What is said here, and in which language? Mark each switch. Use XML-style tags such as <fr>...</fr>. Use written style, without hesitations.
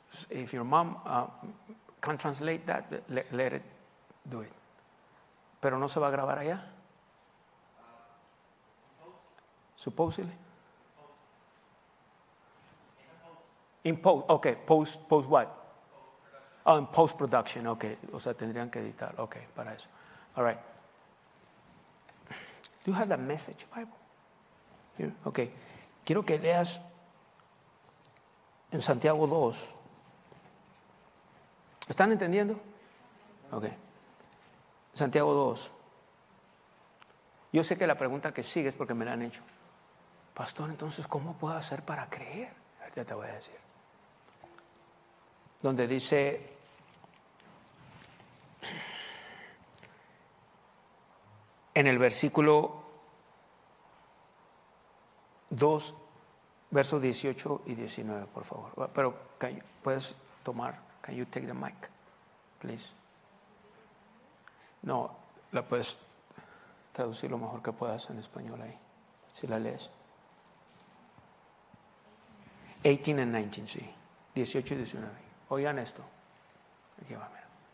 <en>If your mom can translate that, let it do it.</en> <es>Pero no se va a grabar allá.</es> <en>Supposedly. Post what? Post-production. Oh, in post-production, okay.</en> <es>O sea, tendrían que editar, okay, para eso.</es> <en>All right. Do you have the message, Bible? Here, okay.</en> <es>Quiero que leas en Santiago 2. ¿Están entendiendo? Okay. Santiago 2. Yo sé que la pregunta que sigue es porque me la han hecho. Pastor, entonces, ¿cómo puedo hacer para creer? Ya te voy a decir. Donde dice, en el versículo 2, versos 18 y 19, por favor. Pero, ¿puedes tomar?</es> <en>Can you take the mic, please?</en> <es>No, la puedes traducir lo mejor que puedas en español ahí, si la lees.</es> <en>18 and 19,</en> <es>sí. 18 y 19. Oigan esto. Aquí va, mira.</es>